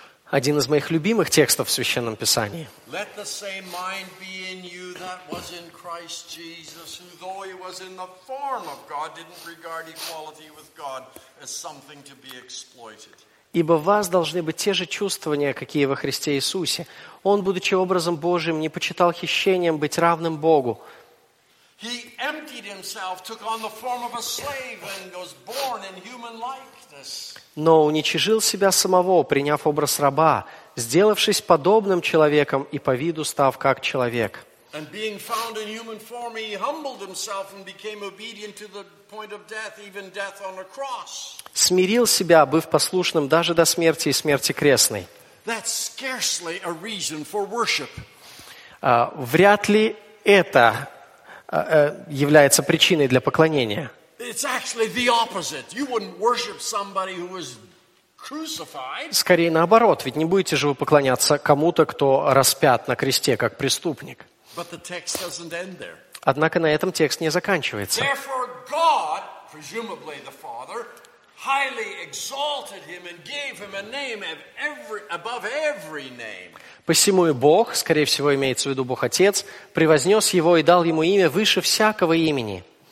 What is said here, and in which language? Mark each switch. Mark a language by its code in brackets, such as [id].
[ru] Один из моих любимых текстов в Священном Писании. [en] Let the same mind be in you that was in Christ Jesus, who though he was in the form of God, didn't regard equality with God as something to be exploited. [ru] Ибо в вас должны быть те же чувствования, какие во Христе Иисусе. Он, будучи образом Божиим, не почитал хищением быть равным Богу. [en] He emptied himself, took on the form of a slave, and was born in human likeness. [ru] Но уничижил себя самого, приняв образ раба, сделавшись подобным человеком и по виду став как человек. [en] And being found in human form, he humbled himself and became obedient to the point of death, even death on a cross. [ru] Смирил себя, быв послушным даже до смерти и смерти крестной. [en] That's scarcely a reason for worship. [ru] Вряд ли это является причиной для поклонения. [en] It's actually the opposite. You wouldn't worship somebody who was crucified. [ru] Скорее наоборот, ведь не будете же вы поклоняться кому-то, кто распят на кресте как преступник. [en] But the text doesn't end there. [ru] Однако на этом текст не заканчивается. [en] Therefore God, presumably the Father, highly exalted him and gave him a name above every name. [ru] Посему и Бог, скорее всего, имеется в виду Бог Отец, превознес его и дал ему имя выше всякого имени.